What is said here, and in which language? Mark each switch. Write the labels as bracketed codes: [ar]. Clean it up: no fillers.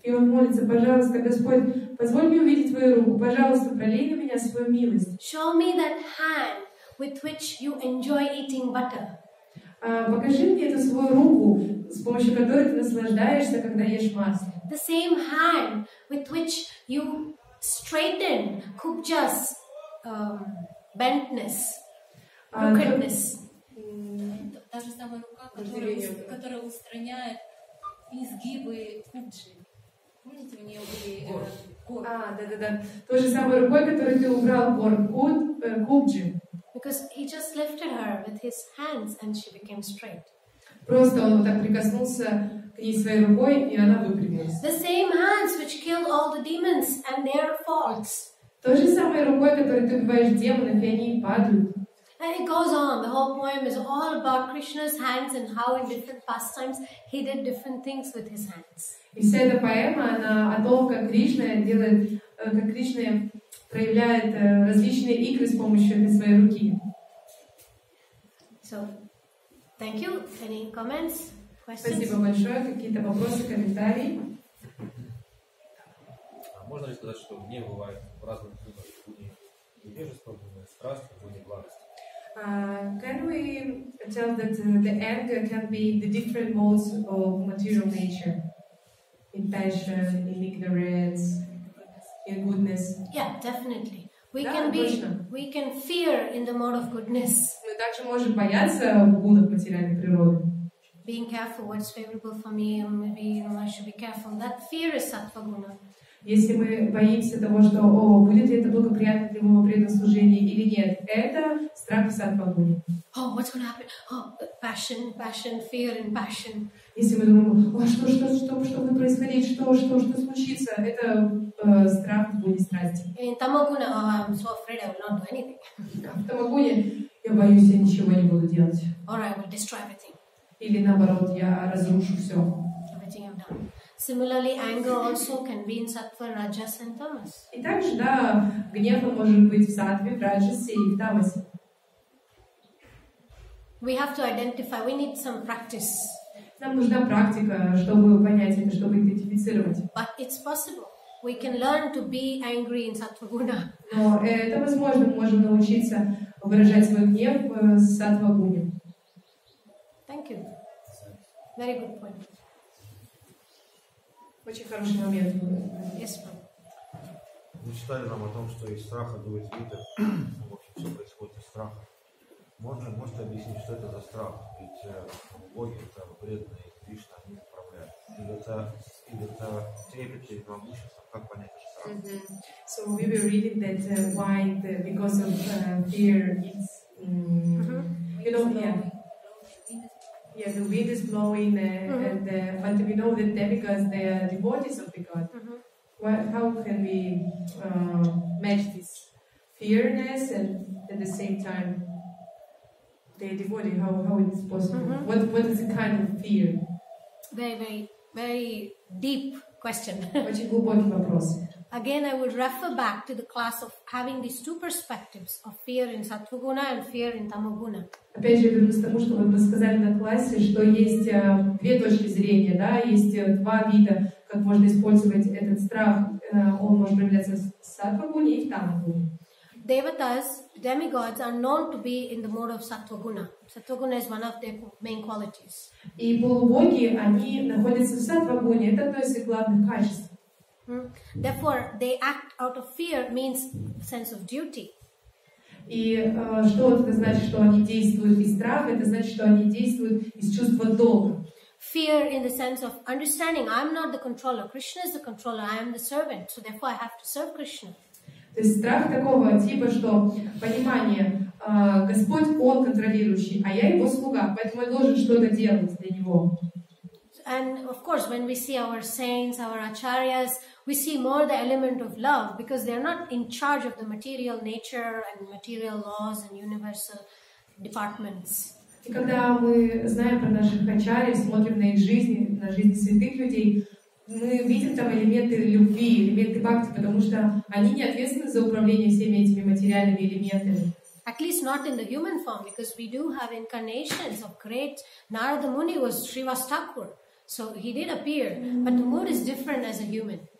[ru] И он молится, пожалуйста, Господь, позволь мне увидеть твою руку. Пожалуйста, пролей на меня свою милость. [en] Show me that hand with which you enjoy eating butter. [ru] Покажи мне эту свою руку, с помощью которой ты наслаждаешься, когда ешь масло. [en] The same hand with which you straighten kubja's bentness, crookedness. [ru] Та же самая рука, которая устраняет изгибы куджи. Помните, у нее были корки? Да. Той же самой рукой, которую ты убрал куджи. [en] Because he just lifted her with his hands and she became straight. [ru] Просто он так прикоснулся к ней своей рукой, и она выпрямилась. [en] The same hands which kill all the demons and their faults. [ru] Той же самой рукой, которой ты убиваешь демонов, и они падают. [en] And it goes on. The whole poem is all about Krishna's hands and how in different pastimes he did different things with his hands. [ru] И вся эта поэма, она о том, как Кришна делает, как Кришна проявляет различные игры с помощью своей руки. [en] So, thank you. Any comments, questions? [ru] Спасибо большое. Какие-то вопросы, комментарии? А можно ли сказать, что в дне бывает в разных видах невежество, бывает страсть, бывает благость? [en] Can we tell that the anger can be the different modes of material nature? In passion, in ignorance, in goodness. Yeah, definitely. We can fear in the mode of goodness. [ru] Мы также можем бояться в гунах материальной природы. [en] Being careful what's favorable for me, maybe I should be careful. That fear is sattva-guna. [ru] Если мы боимся того, что будет ли это благоприятно для моего предослужения или нет, это страх сатва-гуны. [en] Oh, what's gonna happen? Oh, passion, fear and passion. [ru] Если мы думаем, что будет происходить, что случится, это страх гуны страсти. [en] In tamaguna, oh, I'm so afraid I will not do anything. [ru] В тамагуне я боюсь, я ничего не буду делать. [en] Or I will destroy everything. [ru] Или наоборот, я разрушу все. [en] Everything I've done. Similarly, anger also can be in sattva, rajas, and tamas. [ru] И также, да, гнев может быть в сатве, в раджасе и в тамасе. [en] We have to identify. We need some practice. [ru] Нам нужна практика, чтобы понять это, чтобы идентифицировать. [en] But it's possible. We can learn to be angry in sattva guna. [ru] Но это возможно. Мы можем научиться выражать свой гнев в сатва гуне. [en] Thank you. Very good point. [ru] Очень хороший момент. [en] Yes, [ru] ma'am. Вы читали нам о том, что из страха дует ветер. В общем, все происходит из страха. Можете объяснить, что это за страх? Ведь боги это вредные, Кришна не управляет. Или это трепет или могущество? Как понять страх? Mm-hmm. [en] So we were reading that because of fear it's you know, yeah. Yeah, the wind is blowing, but we know that demigods, they are devotees of the god. Mm-hmm. How can we match this fearness and at the same time they are devotees? How is it possible? Mm-hmm. What is the kind of fear? Very, very, very deep question. [ru] Очень глубокий вопрос. [en] Again, I would refer back to the class of having these two perspectives of fear in sattva-guna and fear in tamaguna. [ru] Опять же, вернусь к тому, что вы сказали на классе, что есть две точки зрения, да, есть два вида, как можно использовать этот страх. Он может проявляться в сатва-гуне и в тамагуне. [en] Devatas, demigods, are known to be in the mode of sattva-guna. Sattva-guna is one of their main qualities. [ru] И полубоги, они находятся в сатва-гуне. Это то есть их главных качеств. [en] Therefore, they act out of fear means sense of duty. [ru] И что это значит, что они действуют из страха? Это значит, что они действуют из чувства долга. [en] Fear in the sense of understanding. I'm not the controller. Krishna is the controller. I am the servant. So therefore, I have to serve Krishna. [ru] То есть страх такого типа, что понимание, Господь, Он контролирующий, а я Его слуга, поэтому я должен что-то делать для Него. [en] And of course, when we see our saints, our acharyas, we see more the element of love, because they are not in charge of the material nature and material laws and universal departments. [ru] И когда мы знаем про наших ачарий, смотрим на их жизни, на жизни святых людей, мы видим там элементы любви, элементы бхакти, потому что они не ответственны за управление всеми этими материальными элементами. [en] At least not in the human form, because we do have incarnations of great Narada Muni was Srivastakur. So he did appear, but the mood is different as a human.